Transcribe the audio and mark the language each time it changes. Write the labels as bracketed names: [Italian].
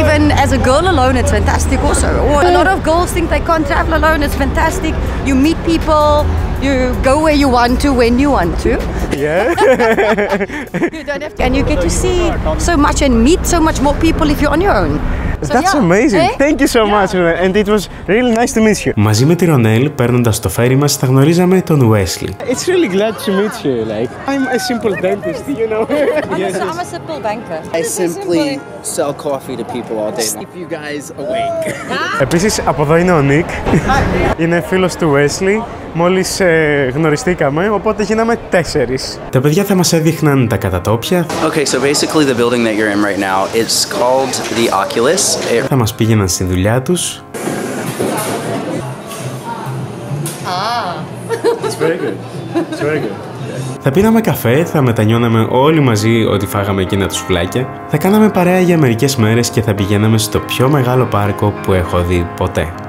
[English] Even as a girl alone, it's fantastic also. A lot of girls think they can't travel alone. It's fantastic. You meet people. You go where you want to, when you want to. Yeah. You don't have to. And you get to see so much and meet so much more people if you're on your own. So, that's yeah. amazing. Eh? Thank you so much, Ronel. And it was really nice to meet you. [Greek] Μαζί με τη Ρονέλ, παίρνοντας το φέρι μας, θα γνωρίζαμε τον Wesley. [English] It's really glad to meet you. Like, I'm a simple dentist, you know. Yes. I'm a simple banker. I simply sell coffee to people all day. Keep you guys awake. [Greek] Επίσης, από εδώ είναι ο Νίκ. Είναι φίλος του Wesley. Μόλις γνωριστήκαμε, οπότε γίναμε τέσσερις. Τα παιδιά θα μας έδειχναν τα κατατόπια. [English] Okay, so basically the building that you're in right now, it's called the Oculus. [Greek] Θα μας πήγαιναν στη δουλειά τους. Ah. [English] It's very good. It's very good. [Greek] Θα πίναμε καφέ, θα μετανιώναμε όλοι μαζί ότι φάγαμε εκείνα τους φλάκια, θα κάναμε παρέα για μερικές μέρες και θα πηγαίναμε στο πιο μεγάλο πάρκο που έχω δει ποτέ.